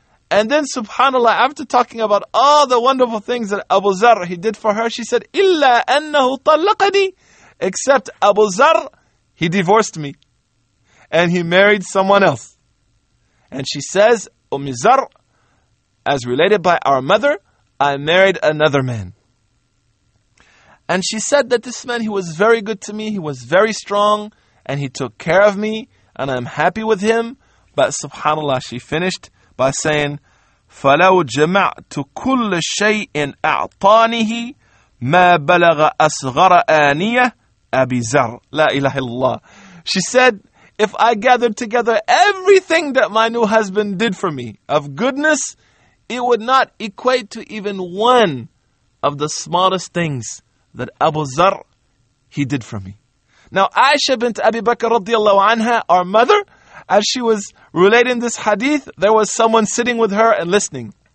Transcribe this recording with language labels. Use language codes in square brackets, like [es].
[en] And then subhanAllah, after talking about all the wonderful things that Abu Zar, he did for her, she said, "Illa annahu talaqani," except Abu Zar, he divorced me and he married someone else. And she says, Umm Zar, as related by our mother, I married another man. And she said that this man, he was very good to me, he was very strong, and he took care of me, and I'm happy with him. [ar] But subhanAllah, she finished by saying, فَلَوْ جَمَعْتُ كُلَّ شَيْءٍ أَعْطَانِهِ مَا بَلَغَ أَصْغَرَ آنِيَةٍ أَبِي زَرْ لَا إِلَهِ اللَّهِ. [en] She said, if I gathered together everything that my new husband did for me of goodness, it would not equate to even one of the smallest things that Abu Zar, he did for me. Now Aisha bint Abi Bakr radiallahu anha, our mother, as she was relating this hadith, there was someone sitting with her and listening.